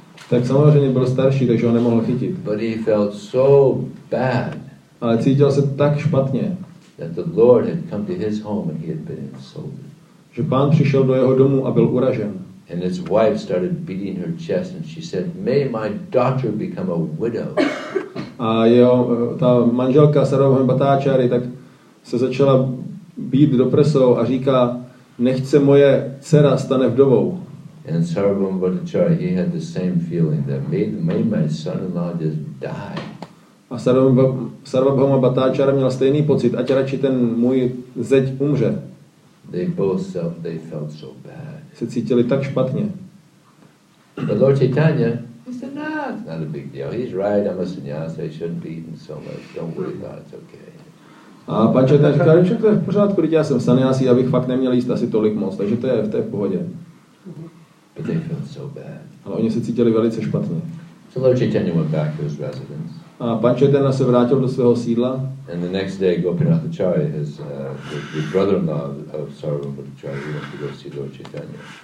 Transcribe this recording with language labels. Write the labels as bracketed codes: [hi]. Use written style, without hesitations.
[cs] Tak samozřejmě byl starší, takže ho nemohl chytit. [en] But he felt so bad. [cs] Ale cítil se tak špatně, [en] that the Lord had come to his home and he had been insulted. [cs] Že pán přišel do jeho domu a byl uražen. [en] And his wife started beating her chest and she said, "May my daughter become a widow." [cs] A jeho ta manželka Sarvabhaum Bhattacharya tak se začala bít do prsou a říká, "Nech se moje dcera stane vdovou." [en] And Sarvabhaum Bhattacharya, he had the same feeling that may my son-in-law just die. [cs] A Sarvabhaum Bhattacharya měl stejný pocit, ať radši ten můj zeď umře. [en] They felt so bad. [cs] Se cítili tak špatně. [en] But Lord Chaitanya, he said, "Nah, it's not a big deal. He's right, I'm a sannyasi, I shouldn't be eating so much. Don't worry about it, it's okay." [cs] A pan Chaitanya říkal, že to je v pořádku, já jsem sannyasi, já bych fakt neměl jíst asi tolik moc, takže to je v pohodě. [en] But they felt so bad. [cs] Ale oni se cítili velice špatně. [en] So Lord Chaitanya went back to his residence. [cs] A pan Chaitanya se vrátil do svého sídla. [en] And the next day, Gopinath Acharya, his brother-in-law of Sarvabhaum Bhattacharya, went to go see Lord Chaitanya.